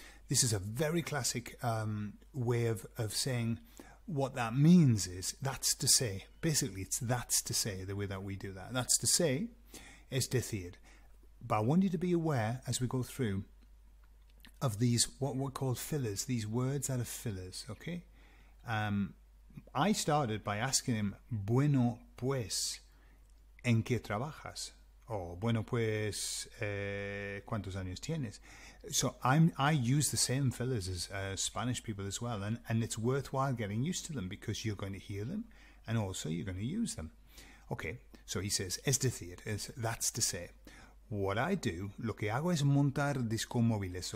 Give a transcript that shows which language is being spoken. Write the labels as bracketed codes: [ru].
[en] This is a very classic way of saying what that means is, that's to say. Basically, it's that's to say, the way that we do that. That's to say, [es] es decir. [en] But I want you to be aware, as we go through, of these, what we're called fillers, these words that are fillers, okay? I started by asking him, [es] bueno, pues, ¿en qué trabajas? Oh, bueno, pues, ¿cuántos años tienes? [en] So I use the same fillers as Spanish people as well, and it's worthwhile getting used to them because you're going to hear them, and also you're going to use them. Okay, so he says, [es] es decir, [en] that's to say. What I do, [es] lo que hago es montar disco móviles.